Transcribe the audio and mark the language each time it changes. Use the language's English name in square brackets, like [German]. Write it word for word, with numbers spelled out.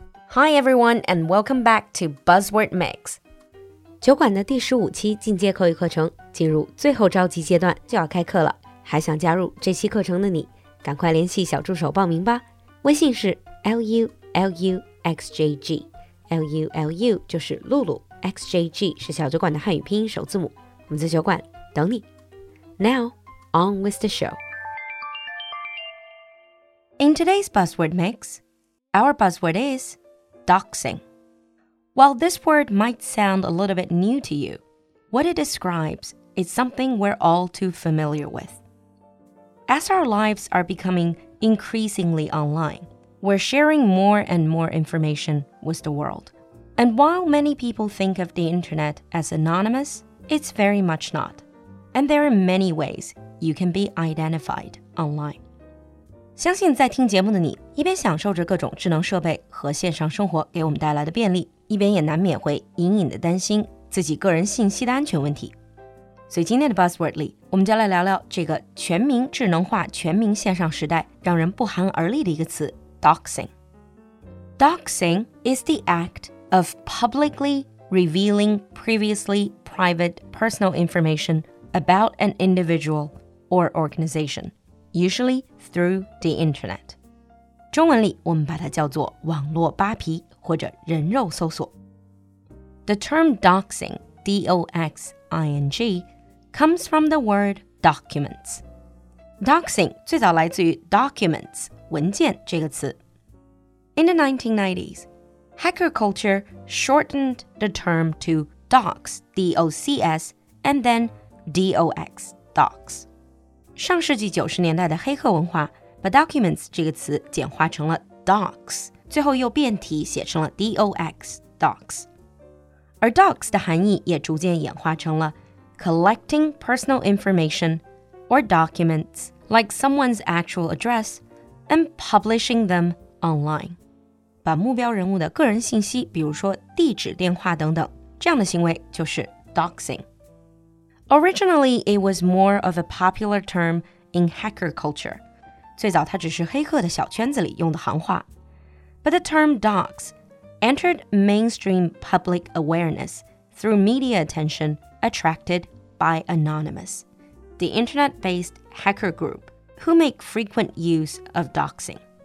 [English] Hi everyone and welcome back to Buzzword Mix. [Chinese] 酒馆的第十五期进阶口语课程进入最后召集阶段，就要开课了。还想加入这期课程的你，赶快联系小助手报名吧。微信是 L U L U X J G， L U L U 就是露露， X J G 是小酒馆的汉语拼音首字母。我们在酒馆等你。 [English] Now, on with the show. In today's Buzzword Mix, our buzzword is... Doxing. While this word might sound a little bit new to you, what it describes is something we're all too familiar with. As our lives are becoming increasingly online, we're sharing more and more information with the world. And while many people think of the internet as anonymous, it's very much not. And there are many ways you can be identified online. [Chinese] 相信在听节目的你，一边享受着各种智能设备和线上生活给我们带来的便利，一边也难免会隐隐的担心自己个人信息的安全问题。所以今天的 Buzzword 里，我们就来聊聊这个全民智能化、全民线上时代让人不寒而栗的一个词 Doxing. [English] Doxing is the act of publicly revealing previously private personal information about an individual or organization. Usually through the internet. [Chinese] 中文里我们把它叫做网络扒皮或者人肉搜索。 [English] The term doxing, D O X I N G, comes from the word documents. [Chinese] Doxing 最早来自于 documents, 文件这个词。 [English] In the nineteen nineties, hacker culture shortened the term to dox, D O C S, and then D O X, dox. [Chinese] 上世纪九十年代的黑客文化把 documents 这个词简化成了 docs， 最后又变体写成了 dox, docs。 [English] 而 docs [Chinese] 的含义也逐渐演化成了 [English] collecting personal information or documents like someone's actual address and publishing them online. [Chinese] 把目标人物的个人信息，比如说地址、电话等等，这样的行为就是 doxing. [English] Originally, it was more of a popular term in hacker culture. [Chinese] 最早它只是黑客的小圈子里用的行话。 [English] But the term dox entered mainstream public awareness through media attention attracted by Anonymous, the internet-based hacker group who make frequent use of doxing.